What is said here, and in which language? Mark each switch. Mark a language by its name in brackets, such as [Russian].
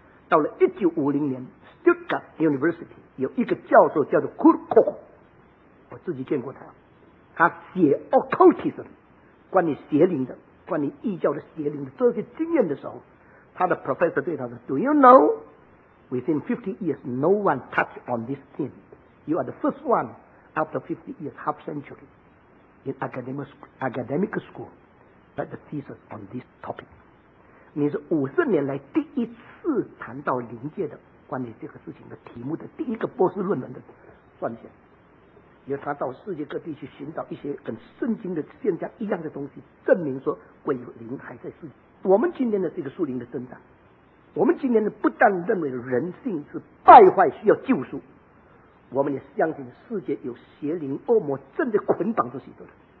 [Chinese] 到了1950年 Stuttgart University 有一个教授叫做 Kurt Koch，我自己见过他，他写 occultism 关于邪灵的，关于异教的邪灵的这些经验的时候，他的 professor 对他说 [English] Do you know within 50 years no one touched on this theme? You are the first one after 50 years, half century in academic school that the thesis on this topic. [Chinese] 你是50年来第一次谈到灵界的关于这个事情的题目的第一个博士论文的撰写，因为他到世界各地去寻找一些跟圣经的现象一样的东西，证明说鬼灵还在世界。我们今天的这个树林的增长，我们今天的不但认为人性是败坏需要救赎，我们也相信世界有邪灵恶魔正在捆绑着许多人。